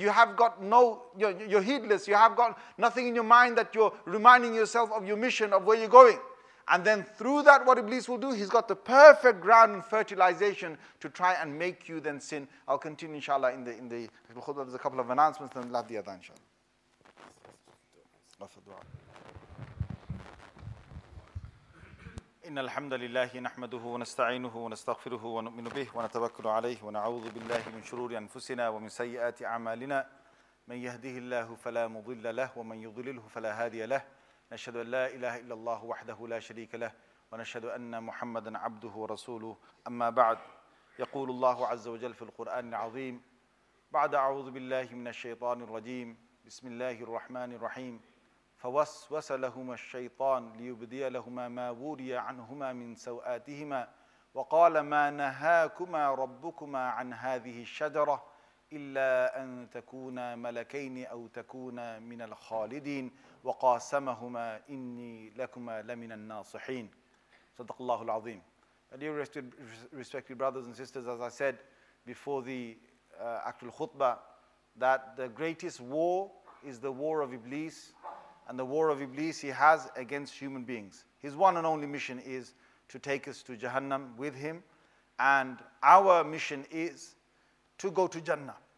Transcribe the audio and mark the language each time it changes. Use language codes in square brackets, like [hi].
[en] You have got nothing in your mind that you're reminding yourself of your mission, of where you're going. And then through that, what Iblis will do, he's got the perfect ground and fertilization to try and make you then sin. I'll continue, inshallah, in the khutbah. There's a couple of announcements, then we'll have the adhan, inshallah. [ar] إن الحمد لله نحمده ونستعينه ونستغفره ونؤمن به ونتوكل عليه ونعوذ بالله من شرور أنفسنا ومن سيئات أعمالنا من يهده الله فلا مضل له ومن يضلله فلا هادي له نشهد أن لا إله إلا الله وحده لا شريك له ونشهد أن محمدا عبده ورسوله أما بعد يقول الله عز وجل في القرآن العظيم بعد أعوذ بالله من الشيطان الرجيم بسم الله الرحمن الرحيم فوسوس لهما الشيطان ليبدي لهما ما وري عنهما من سوآتهما وقال ما نهاكما ربكما عن هذه الشجرة إلا أن تكونا ملكين أو تكونا من الخالدين وقاسمهما إني لكما لمن الناصحين صدق الله العظيم. [en] Dear respected brothers and sisters, as I said before the actual khutbah, that the greatest war is the war of Iblis, and the war of Iblis he has against human beings. His one and only mission is to take us to Jahannam with him, and our mission is to go to Jannah.